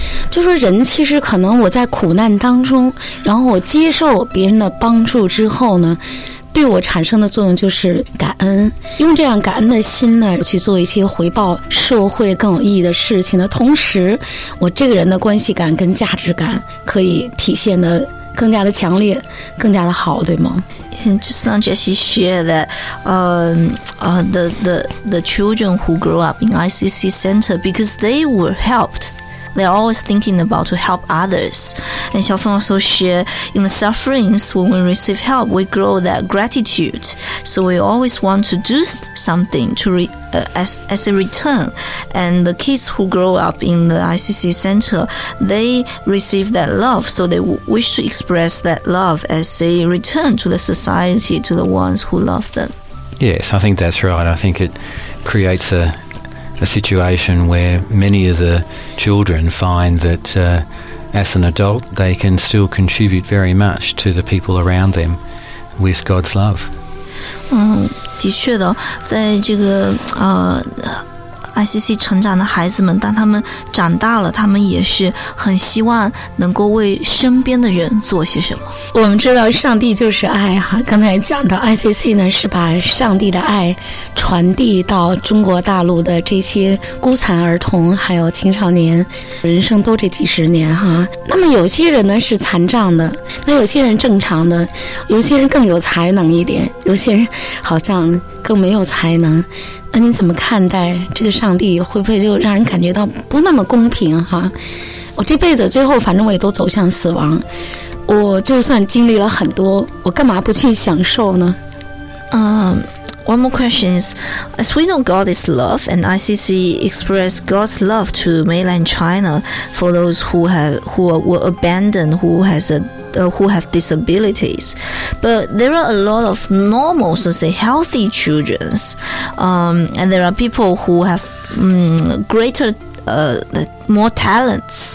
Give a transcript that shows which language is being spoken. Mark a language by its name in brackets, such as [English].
[Chinese] 就说人其实可能我在苦难当中，然后我接受别人的帮助之后呢，对我产生的作用就是感恩，用这样感恩的心呢去做一些回报社会更有意义的事情的同时，我这个人的关系感跟价值感可以体现得更加的强烈，更加的好，对吗？ [English] Just now Jessie shared that the children who grew up in ICC center because they were helped they're always thinking about to help others. And 小峰 also shared, in the sufferings, when we receive help, we grow that gratitude. So we always want to do something to as a return. And the kids who grow up in the ICC center, they receive that love. So they wish to express that love as a return to the society, to the ones who love them. Yes, I think that's right. I think it creates a situation where many of the children find that as an adult they can still contribute very much to the people around them with God's love. [Chinese] 的确的，在这个ICC 成长的孩子们，当他们长大了，他们也是很希望能够为身边的人做些什么。我们知道上帝就是爱哈，刚才讲到 ICC 呢，是把上帝的爱传递到中国大陆的这些孤残儿童，还有青少年，人生都这几十年哈。那么有些人呢是残障的，那有些人正常的，有些人更有才能一点，有些人好像更没有才能。那你怎么看待这个上帝会不会就让人感觉到不那么公平哈？我这辈子最后反正我也都走向死亡，我就算经历了很多，我干嘛不去享受呢？ [English] One more question is, as we know God is love, and ICC expressed God's love to mainland China for those who were abandoned, who have disabilities. But there are a lot of normal, so say, healthy children, and there are people who have greater, more talents.